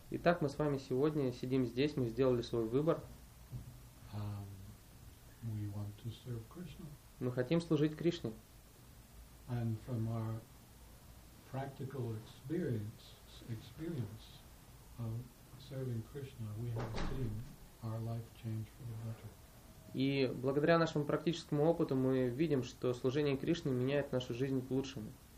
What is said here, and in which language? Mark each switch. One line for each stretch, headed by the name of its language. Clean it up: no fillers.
Russian: Итак, мы с вами сегодня сидим здесь, мы сделали свой выбор.
English: We want to serve Krishna.
Russian: Мы хотим служить Кришне.
English: And from our practical experience of serving Krishna, we have seen our life change for the better.
Russian: И благодаря нашему практическому опыту мы видим, что служение Кришне меняет нашу жизнь к лучшему.